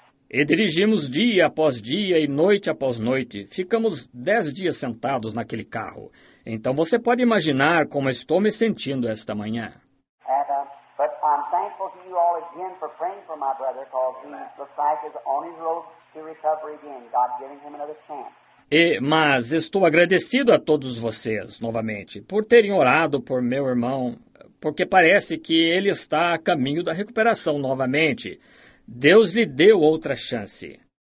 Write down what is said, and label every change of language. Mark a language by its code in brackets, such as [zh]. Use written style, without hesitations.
[pt] E dirigimos dia após dia e noite após noite. Ficamos 10 dias sentados naquele carro. Então você pode imaginar como estou me sentindo esta manhã. [en] And, grateful to you all again for praying for my brother, because he looks like he's on his road to recovery again. God giving him another chance. [pt] Mas estou agradecido a todos vocês, novamente, por terem orado por meu irmão, porque parece que ele está a caminho da recuperação novamente. Deus lhe deu outra chance.